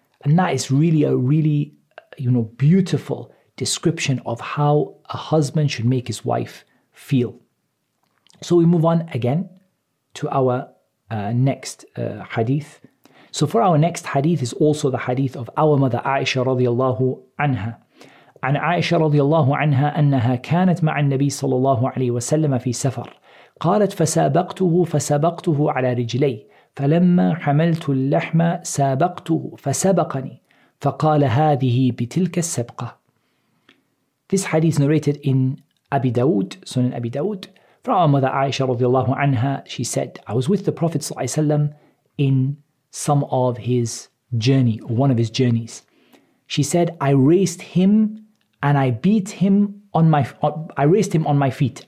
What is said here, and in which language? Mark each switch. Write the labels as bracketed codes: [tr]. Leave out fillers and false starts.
[en] And that is really a really, you know, beautiful description of how a husband should make his wife feel. So we move on again to our next hadith. So for our next hadith is also the hadith of our mother Aisha radiallahu anha. [ar] عن عائشة رضي الله عنها أنها كانت مع النبي صلى الله عليه وسلم في سفر قالت فسابقته على رجلي فلما حملت اللحم سابقته فسبقني فقال هذه بتلك السبقة. [en] This hadith narrated in Abi Dawood, Sunan Abi Dawood. From our mother Aisha رضي الله عنها, she said, I was with the Prophet صلى الله عليه وسلم in some of his journey, or one of his journeys. She said, I raised him and I beat him on my, I raced him on my feet.